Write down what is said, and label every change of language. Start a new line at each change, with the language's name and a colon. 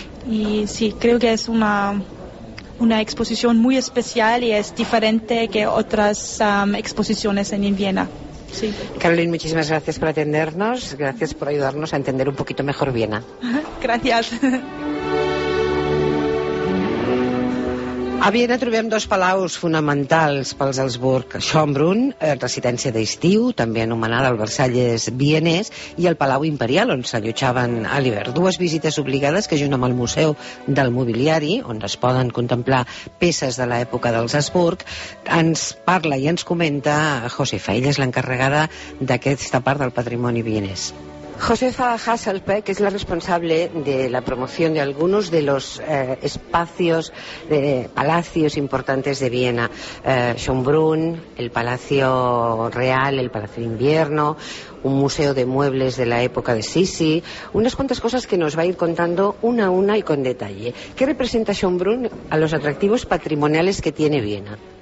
Spanish: Y sí, creo que es una exposición muy especial, y es diferente que otras exposiciones en Viena. Sí. Carolina, muchísimas gracias por atendernos, gracias por ayudarnos a entender un poquito mejor Viena. Gracias.
Catalan: A Viena trobem dos palaus fonamentals pels Habsburg: Schönbrunn, residència d'estiu, també anomenada el Versalles vienès, i el Palau Imperial, on s'allotjaven a l'hivern. Dues visites obligades que, junt amb el Museu del Mobiliari, on es poden contemplar peces de l'època dels Habsburg, ens parla i ens comenta Josefa. Ella és l'encarregada d'aquesta part del patrimoni vienès.
Spanish: Josefa Hasselbeck es la responsable de la promoción de algunos de los espacios, palacios importantes de Viena. Schönbrunn, el Palacio Real, el Palacio de Invierno, un museo de muebles de la época de Sisi, unas cuantas cosas que nos va a ir contando una a una y con detalle. ¿Qué representa Schönbrunn a los atractivos patrimoniales que tiene Viena?